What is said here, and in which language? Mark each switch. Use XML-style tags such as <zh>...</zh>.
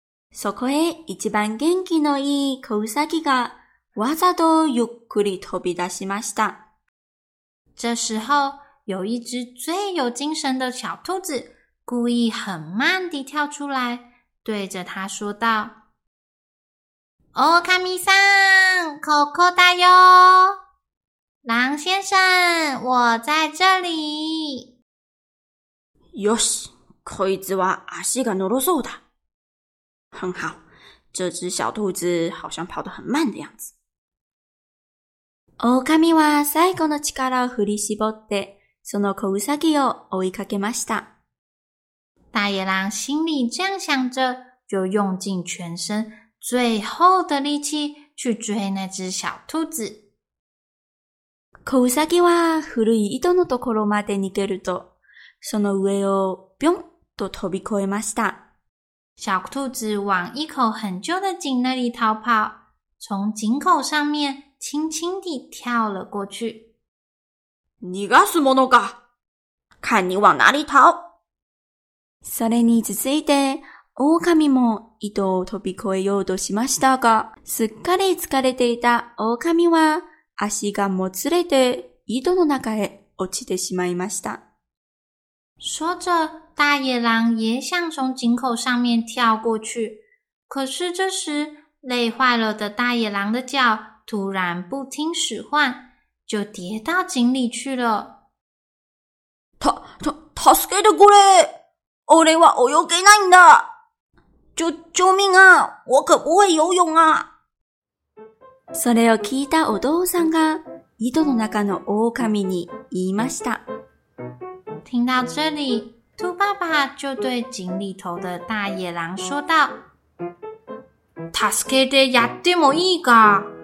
<ja>そこへ一番元気のいい子ウサギがわざとゆっくり飛び出しました。</ja> <zh>这时候，有一只最有精神的小兔子，故意很慢地跳出来，对着他说道。</zh> <ja>オオカミさん、ここだよ。</ja> <zh>狼先生、我在这里。</zh> <ja>よし、こいつは足がのろそうだ。</ja> <zh>很好、这只小兔子好像跑得很慢的样子。</zh> <ja>オオカミは最後の力を振り絞って、その子ウサギを追いかけました。</ja> <zh>大野狼心里这样想着、就用尽全身、最后的力气去追那只小兔子。</zh> <ja>子ウサギは古い糸のところまで逃げると、その上をぴょんと飛び越えました。</ja> <zh>小兔子往一口很旧的井那里逃跑、从井口上面轻轻地跳了过去。</zh> <ja>逃がすものか。</ja> <zh>看你往哪里逃。</zh> <ja>それに続いて、オオカミも糸を飛び越えようとしましたが、すっかり疲れていたオオカミは足がもつれて糸の中へ落ちてしまいました。</ja> <zh>说着、大野狼也想从井口上面跳过去。可是这时、累坏了的大野狼的脚突然不听使唤、就跌到井里去了。</zh> <ja>助けてくれ。俺は泳げないんだ。</ja> <zh>救命啊！我可不会游泳啊！</zh> <ja>それを聞いたお父さんが井戸の中の狼に言いました。</ja> <zh>听到这里，兔爸爸就对井里头的大野狼说道：“</zh> <ja>助けてやってもいいか？</ja>